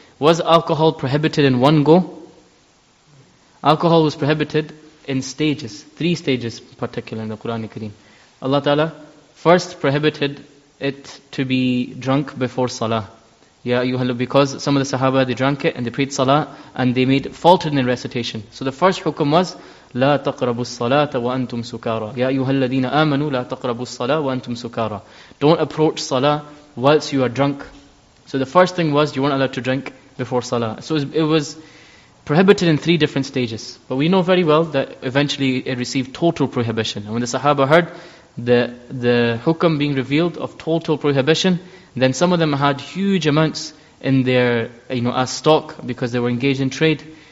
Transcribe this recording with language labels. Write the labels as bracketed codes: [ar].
[en] Was alcohol prohibited in one go? Alcohol was prohibited in stages, three stages in particular in the Quran Kareem. Allah Ta'ala first prohibited it to be drunk before salah. Yeah, you have, because some of the sahaba, they drank it and they prayed salah and they made faltered in recitation. [ar] So the first hukum was, لا تقربوا الصلاة وأنتم سكارى. يا أيها الذين آمنوا لا تقربوا الصلاة وأنتم سكارى. [en] Don't approach salah whilst you are drunk. So the first thing was, you weren't allowed to drink before salah. So it was prohibited in three different stages. But we know very well that eventually it received total prohibition. And when the Sahaba heard the hukam being revealed of total prohibition, then some of them had huge amounts in their, you know, as stock, because they were engaged in trade.